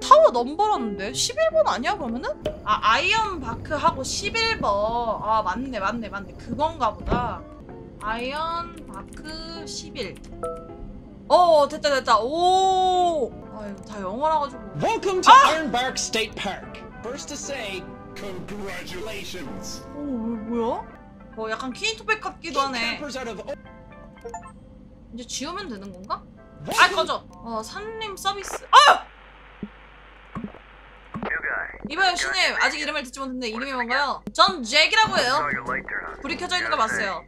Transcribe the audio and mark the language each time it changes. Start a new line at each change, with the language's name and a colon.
Korean: 타워 넘버라는데? 11번 아니야, 그러면은? 아, 아이언 바크하고 11번. 아, 맞네. 그건가 보다. 아이언 바크 11. 어, 됐다. 오! 아, 이거 다 영어라가지고.
English: Welcome to Ironbark State Park. First to say, congratulations.
Korean: 오, 뭐야? 어, 약간 퀸 투 백 같기도 하네. 이제 지우면 되는 건가? 아, 꺼져! 어, 산림 서비스. 아! 이봐요, 신님. 아직 이름을 듣지 못했는데 이름이 뭔가요? 전 잭이라고 해요. 불이 켜져 있는 거 봤어요.